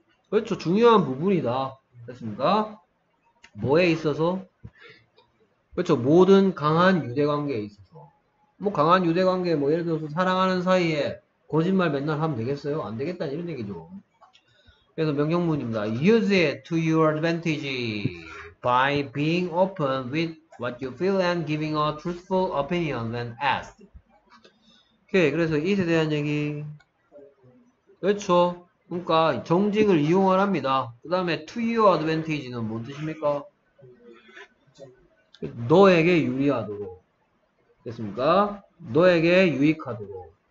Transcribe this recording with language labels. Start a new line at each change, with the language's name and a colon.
Korean: 그렇죠. 중요한 부분이다. 됐습니까? 뭐에 있어서? 그렇죠. 모든 강한 유대관계에 있어서. 뭐 강한 유대관계, 뭐 예를 들어서 사랑하는 사이에 거짓말 맨날 하면 되겠어요? 안 되겠다, 이런 얘기죠. 그래서 명령문입니다.
English: Use it to your advantage by being open with what you feel and giving a truthful opinion when asked.
Korean: 오케이, 그래서 it에 대한 얘기. 그렇죠. 그러니까 정직을 이용을 합니다. 그 다음에 to your advantage는 뭔 뜻입니까? 너에게 유리하도록. 됐습니까? 너에게 유익하도록.